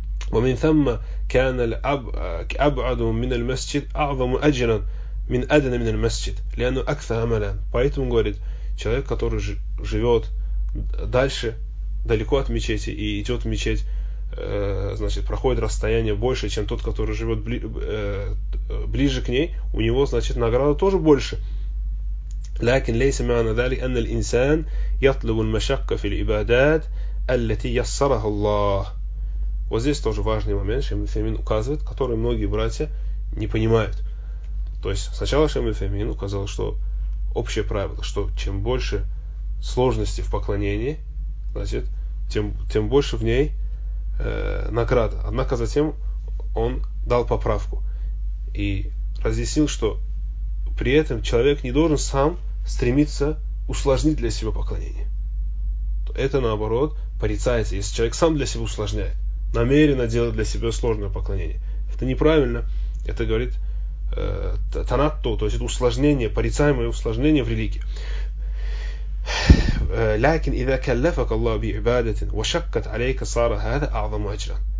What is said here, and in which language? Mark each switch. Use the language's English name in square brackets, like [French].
[Arabic] وَمِنْ ثَمَّ كَانَ الْأَبْعَدُ مِنَ الْمَسْجِدِ أَعْظَمُ أَجْرًا مِنْ أَدْنَ مِنَ الْمَسْجِدِ لِأَنُّ أَكْثَهَ مَلًا. [Russian] Поэтому, говорит, человек, который живет дальше, далеко от мечети, и идет в мечеть, значит, проходит расстояние больше, чем тот, который живет ближе к ней, у него, значит, награда тоже больше. [Arabic] لكن ليس معنى ذلك أن الإنسان يطلب المشقة في العبادات التي يسرها الله. [Russian] Вот здесь тоже важный момент, Шейх Муфеймин указывает, который многие братья не понимают. То есть сначала Шейх Муфеймин указал, что общее правило, что чем больше сложности в поклонении, значит, тем больше в ней награда. Однако затем он дал поправку и разъяснил, что при этом человек не должен сам стремиться усложнить для себя поклонение. Это наоборот порицается, если человек сам для себя усложняет, намеренно делает для себя сложное поклонение. Это неправильно. Это говорит танатту, то есть это усложнение, порицаемое усложнение в религии. [Arabic] لكن إذا كلفك الله بعبادة وشقت عليك صار هذا أعظم أجرا.